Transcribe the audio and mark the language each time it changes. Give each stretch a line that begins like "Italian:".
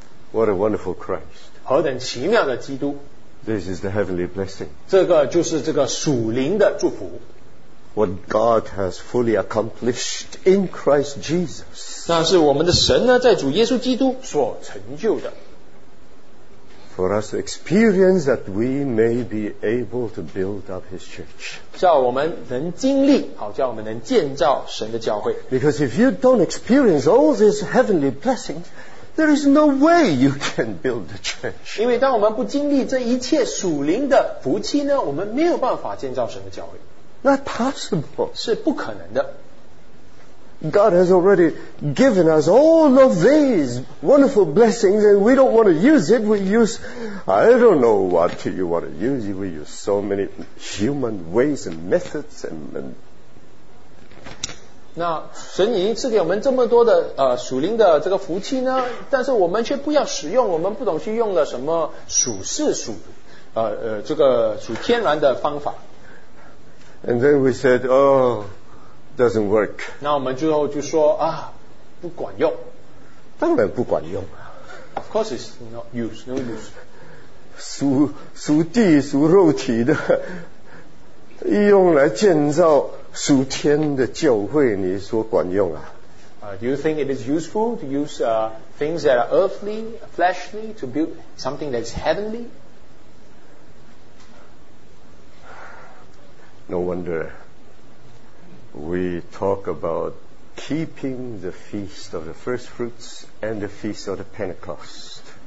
English: What a wonderful Christ.
Chinese: 何等奇妙的基督。
English: This is the heavenly blessing.
Chinese: 这个就是这个属灵的祝福。
English: what God has fully accomplished in Christ Jesus.
Chinese: 那是我们的神呢，在主耶稣基督所成就的。
English: For us to experience that we may be able to build up His church.
Chinese: 叫我们能经历，好叫我们能建造神的教会。
English: Because if you don't experience all these heavenly blessings, there is no way you can build the church.
Chinese: 因为当我们不经历这一切属灵的福气呢，我们没有办法建造神的教会。
English: Not possible.
Chinese: 是不可能的。
English: God has already given us all of these wonderful blessings, and we don't want to use it. I don't know what you want to use. We use so many human ways and methods. And
Chinese: 那神已经赐给我们这么多的属灵的这个福气呢，但是我们却不要使用，我们不懂去用了什么属世属这个属天然的方法。
English: And then we said, oh. Doesn't work.
Chinese: 那我们最后就说啊，不管用。当然不管用。
English: Of course, it's not use, no use.
Chinese: 属地属肉体的，用来建造属天的教会，你说管用啊？
English: Do you think it is useful to use things that are earthly, fleshly, to build something that's heavenly? No wonder. We talk about keeping the feast of the first fruits and the feast of the Pentecost.